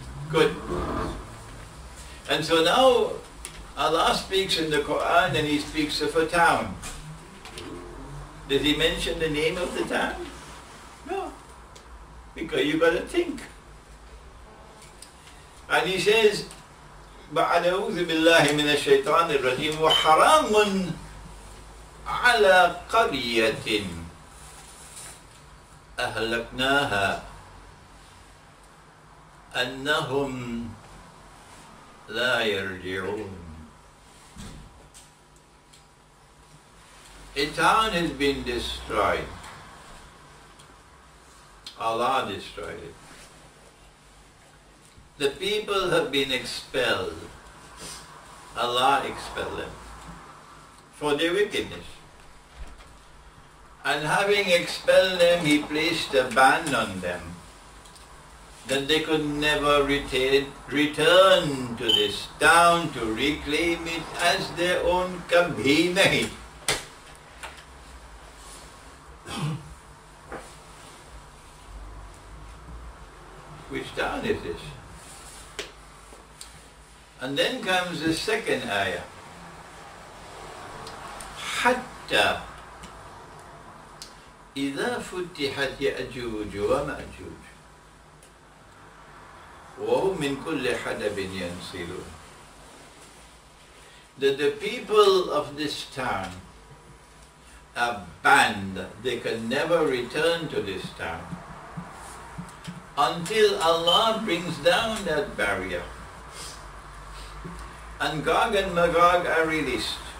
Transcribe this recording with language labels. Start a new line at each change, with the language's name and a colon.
English: Good. And so now Allah speaks in the Quran and He speaks of a town. Did He mention the name of the town? No. Because you've got to think. And He says,
Arabic: بعد أعوذ بالله من الشيطان الرجيم وحرام على قرية أهلكناها أنهم لا يرجعون.
English: A town has been destroyed. Allah destroyed it. The people have been expelled. Allah expelled them for their wickedness. And having expelled them, He placed a ban on them that they could never return to this town to reclaim it as their own.
Hindi: Kabhi nahi.
English: Which town? one is this. And then comes the second ayah.
Arabic: Hatta إِذَا فُتِّحَتْ يَأْجُوجُ وَمَأْجُوجُ وَهُمْ مِنْ كُلِّ حَدَبٍ يَنْسِلُونَ.
English: That the people of this town are banned, they can never return to this town until Allah brings down that barrier and Gog and Magog are released.